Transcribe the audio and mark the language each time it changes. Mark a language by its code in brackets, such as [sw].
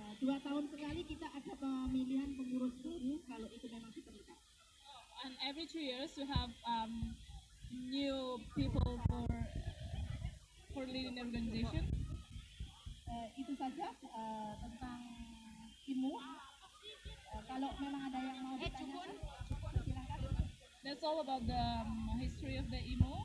[id] 2 tahun sekali kita ada pemilihan pengurus baru kalau itu memang diperlukan. [en] And every 2 years we have new people for leading the organization. [id] Itu saja tentang IMU. Kalau memang ada yang mau ditanyakan, silakan. [en] That's all about the history of the IMU.